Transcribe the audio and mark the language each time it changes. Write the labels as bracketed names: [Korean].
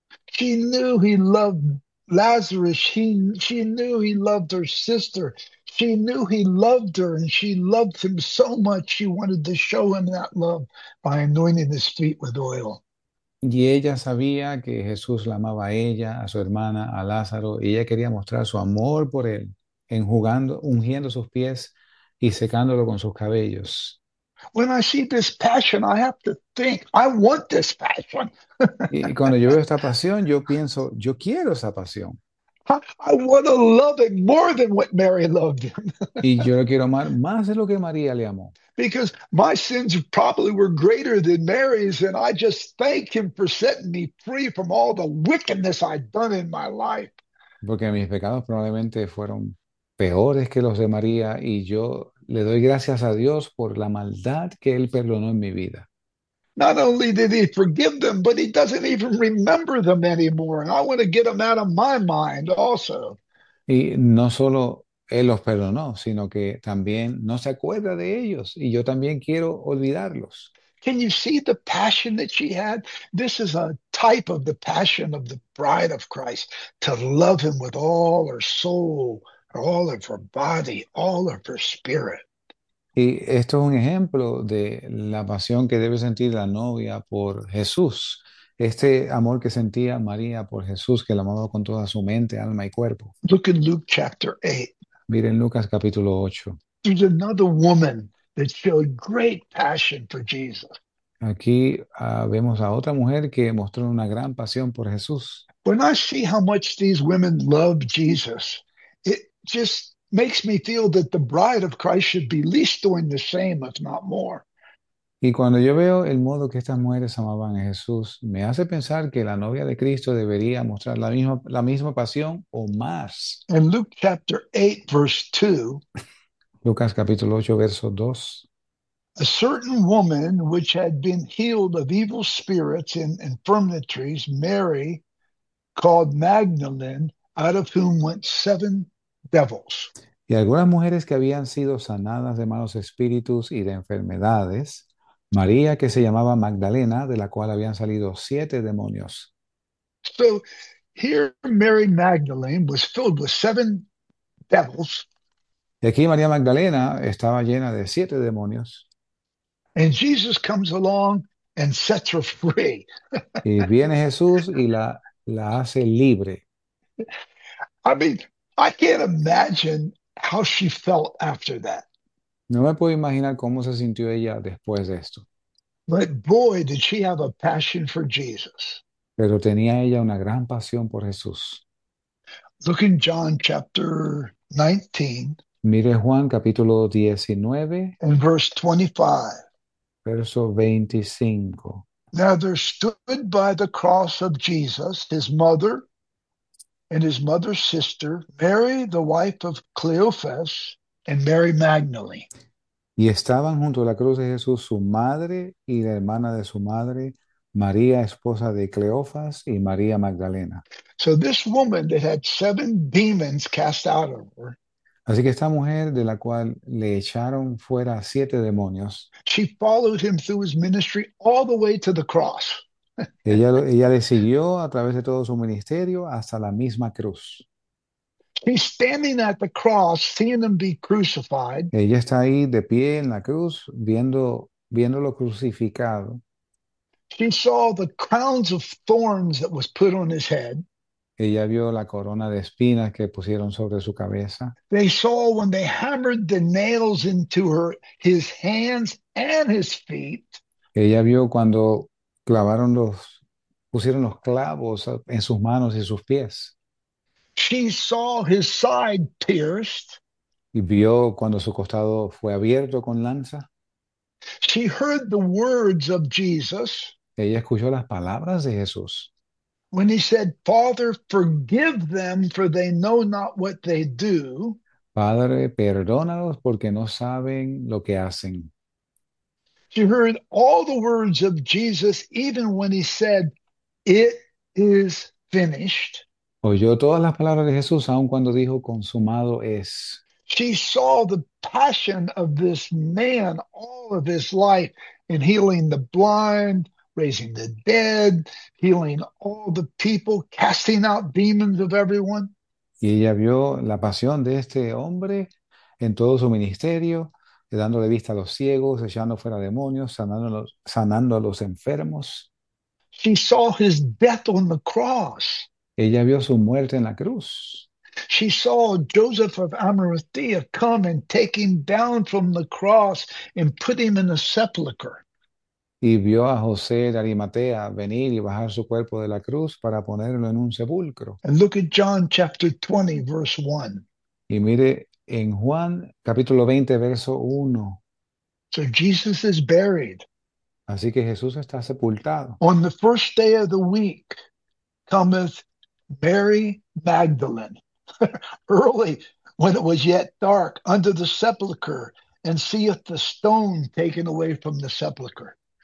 [English] She knew he loved Lazarus. She knew he loved her sister. She knew he loved her and she loved him so much she wanted to show him that love by anointing his feet with oil. [Spanish] Y ella sabía que Jesús la amaba a ella, a su hermana, a Lázaro, y ella quería mostrar su amor por él, enjugando, ungiendo sus pies y secándolo con sus cabellos. [English] When I see this passion, I have to think, I want this passion. [Spanish] Y cuando yo veo esta pasión, yo pienso, yo quiero esa pasión. [English] I want to love him more than what Mary loved him. [Spanish] Y yo lo quiero amar más de lo que María le amó. [English] Because my sins probably were greater than Mary's, and I just thank him for setting me free from all the wickedness I'd done in my life. [Spanish] Porque mis pecados probablemente fueron peores que los de María, y yo le doy gracias a Dios por la maldad que Él perdonó en mi vida. [English] Not only did he forgive them, but he doesn't even remember them anymore. And I want to get them out of my mind also. [Spanish] Y no solo Él los perdonó, sino que también no se acuerda de ellos, y yo también quiero olvidarlos. [English] Can you see the passion that she had? This is a type of the passion of the bride of Christ, to love him with all her soul, all of her body, all of her spirit. [Spanish] Y esto es un ejemplo de la pasión que debe sentir la novia por Jesús, este amor que sentía María por Jesús, que la amaba con toda su mente, alma y cuerpo. [English] Look in Luke chapter 8. [Spanish] Miren Lucas capítulo 8. [English] There's another woman that showed great passion for Jesus. [Spanish] Aquí vemos a otra mujer que mostró una gran pasión por Jesús. [English] When I see how much these women love Jesus, it just makes me feel that the bride of Christ should be at least doing the same, if not more. [Spanish] Y cuando yo veo el modo que estas mujeres amaban a Jesús, me hace pensar que la novia de Cristo debería mostrar la misma pasión o más. [English] In Luke chapter 8, verse 2, [Spanish] Lucas capítulo 8, verso 2. [English] a certain woman which had been healed of evil spirits and infirmities, Mary, called Magdalene, out of whom went seven devils. [Spanish] Y algunas mujeres que habían sido sanadas de malos espíritus y de enfermedades. María, que se llamaba Magdalena, de la cual habían salido siete demonios. [English] So, here, Mary Magdalene was filled with seven devils. [Spanish] Y aquí María Magdalena estaba llena de siete demonios. [English] And Jesus comes along and sets her free. [Spanish] Y viene Jesús y la hace libre. [English] I mean, I can't imagine how she felt after that. [Spanish] No me puedo imaginar cómo se sintió ella después de esto. [English] But boy, did she have a passion for Jesus. [Spanish] Pero tenía ella una gran pasión por Jesús. [English] Look in John chapter 19 [Spanish] Mire Juan capítulo 19, [English] and verse 25. [Spanish] verso 25. [English] Now there stood by the cross of Jesus his mother and his mother's sister, Mary, the wife of Cleophas, and Mary Magdalene. [Spanish] Y estaban junto a la cruz de Jesús su madre y la hermana de su madre, María, esposa de Cleofas, y María Magdalena. [English] So this woman that had seven demons cast out of her, [Spanish] Así que esta mujer de la cual le echaron fuera siete demonios, [English] she followed him through his ministry all the way to the cross. [Spanish] ella le siguió a través de todo su ministerio hasta la misma cruz. [English] He's standing at the cross, seeing him be crucified. [Spanish] Ella está ahí de pie en la cruz, viéndolo crucificado. [English] She saw the crowns of thorns that was put on his head. [Spanish] Ella vio la corona de espinas que pusieron sobre su cabeza. [English] They saw when they hammered the nails into her, his hands and his feet. [Spanish] Ella vio cuando pusieron los clavos en sus manos y sus pies. [English] She saw his side pierced. [Spanish] Y vio cuando su costado fue abierto con lanza. [English] She heard the words of Jesus [Spanish] Ella escuchó las palabras de Jesús. [English] when he said, "Father, forgive them, for they know not what they do." [Spanish] Padre, perdónalos porque no saben lo que hacen. [English] She heard all the words of Jesus, even when he said, "It is finished." [Spanish] Oyó todas las palabras de Jesús, aun cuando dijo, consumado es. [English] She saw the passion of this man all of his life in healing the blind, raising the dead, healing all the people, casting out demons of everyone. [Spanish] Y ella vio la pasión de este hombre en todo su ministerio, dándole vista a los ciegos, echando fuera demonios, sanando a los enfermos. [English] She saw his death on the cross. [Spanish] Ella vio su muerte en la cruz. [English] She saw Joseph of Arimathea come and take him down from the cross and put him in the sepulcher. [Spanish] Y vio a José de Arimatea venir y bajar su cuerpo de la cruz para ponerlo en un sepulcro. [English] And look at John chapter 20, verse 1. [Spanish] Y mire en Juan capítulo 20, verso 1. [English] So Jesus is buried. [Spanish] Así que Jesús está sepultado. [English] On the first day of the week cometh Mary Magdalene, early when it was yet dark, unto the sepulchre, and seeth the stone taken away from the sepulchre.